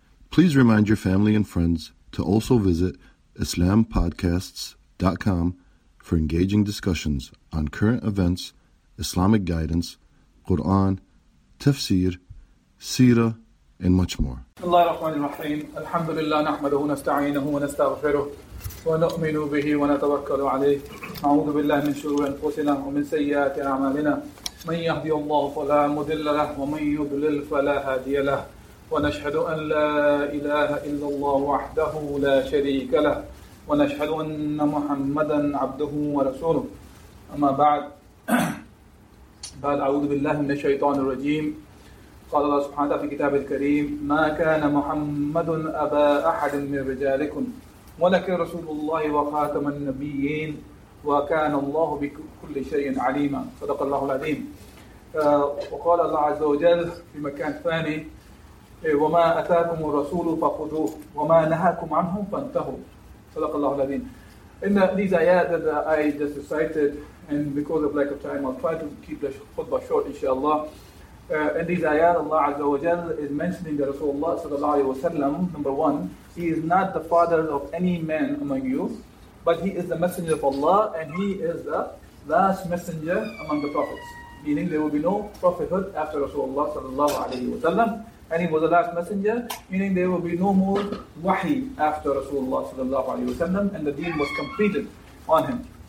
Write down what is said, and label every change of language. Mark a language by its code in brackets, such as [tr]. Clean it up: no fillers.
[en] Please remind your family and friends to also visit IslamPodcasts.com for engaging discussions on current events, Islamic guidance, Quran, tafsir, seerah, and much more. [ar] بسم الله الرحمن الرحيم الحمد لله نحمده ونستعينه ونستغفره ونؤمن به ونتوكل عليه نعوذ بالله من شرور انفسنا ومن سيئات اعمالنا من يهدي الله فلا مضل له ومن يضلل فلا هادي له ونشهد ان لا اله الا الله وحده لا شريك له ونشهد ان محمدا عبده ورسوله اما بعد اعوذ بالله من الشيطان الرجيم قال الله سبحانه وتعالى في كتابه الكريم ما كان محمد أبا أحد من رجالكم ولكن رسول الله وخاتم النبيين وكان الله بكل شيء عليما صدق الله العظيم وقال الله عز وجل في مكان ثاني وما أتاكم الرسول فخذوه وما نهاكم عنه فانتهوا صدق الله العظيم [en] In these ayat that I just recited, and because of lack of time, I'll try to keep the khutbah short, inshallah. In these ayat, Allah Azza wa Jal is mentioning that Rasulullah sallallahu alayhi wa sallam, number one, he is not the father of any man among you, but he is the messenger of Allah, and he is the last messenger among the prophets. Meaning there will be no prophethood after Rasulullah sallallahu alayhi wa sallam, and he was the last messenger, meaning there will be no more wahi after Rasulullah sallallahu alayhi wa sallam, and the deen was completed on him.